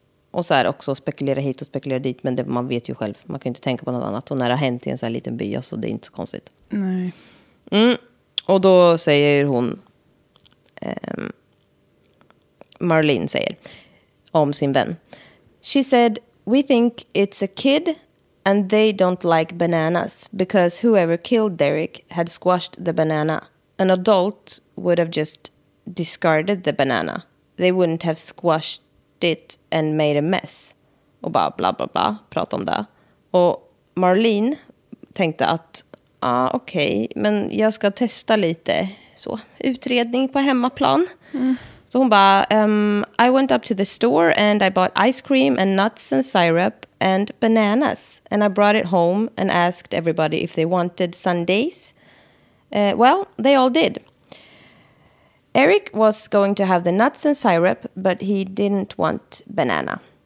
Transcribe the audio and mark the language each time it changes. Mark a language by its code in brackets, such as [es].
[sv] Och så här också spekulera hit och spekulera dit. Men det, man vet ju själv. Man kan inte tänka på något annat. Och när det har hänt i en så här liten by, så det är inte så konstigt. Nej. Mm. Och då säger hon... Marlene säger om sin vän. [en] She said, we think it's a kid and they don't like bananas. Because whoever killed Derek had squashed the banana. An adult would have just discarded the banana. They wouldn't have squashed it and made a mess. [sv] Och bara bla bla bla, prata om det. Och Marlene tänkte att, okej, men jag ska testa lite så utredning på hemmaplan. Mm. Så hon bara, [en] I went up to the store and I bought ice cream and nuts and syrup and bananas. And I brought it home and asked everybody if they wanted sundaes. Well, they all did. Eric was going to have the nuts and syrup, but he didn't want banana.